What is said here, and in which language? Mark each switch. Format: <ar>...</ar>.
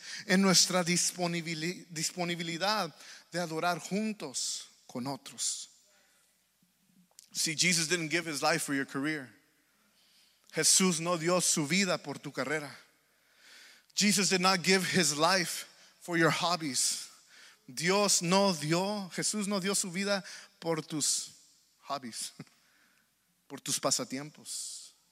<es>en nuestra disponibilidad de adorar juntos con otros.</es> <en>See, Jesus didn't give his life for your career.</en> <es>Jesús no dio su vida por tu carrera.</es> <en>Jesus did not give his life for your hobbies.</en> <es>Jesús no dio su vida por tus hobbies, por tus pasatiempos.</es>